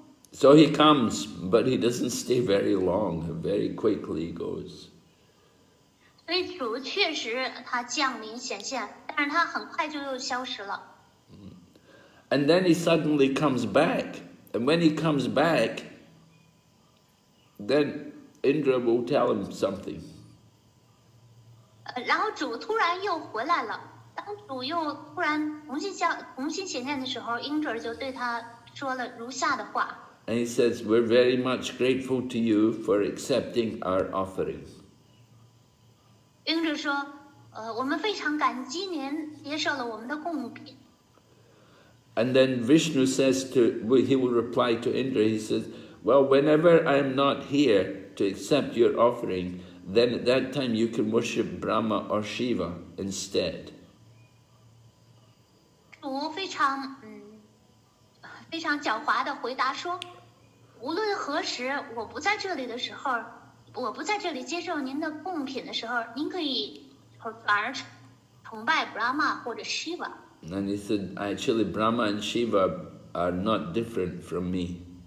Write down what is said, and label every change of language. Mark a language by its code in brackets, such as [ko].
[en] So he comes, but he doesn't stay very long. Very quickly he goes. [zh] 所以主确实他降临显现，但是他很快就又消失了。And [en] then he suddenly comes back, and when he comes back, then Indra will tell him something. [zh] 然后主突然又回来了，当主又突然重新显现的时候，Indra就对他说了如下的话。And [en] he says, "We're very much grateful to you for accepting our offering." [zh] 英者说，我们非常感激您接受了我们的贡品。 [en] And then Vishnu says to, he will reply to Indra, he says, Well, whenever I am not here to accept your offering, then at that time you can worship Brahma or Shiva instead. And he said, actually, Brahma and Shiva are not different from me.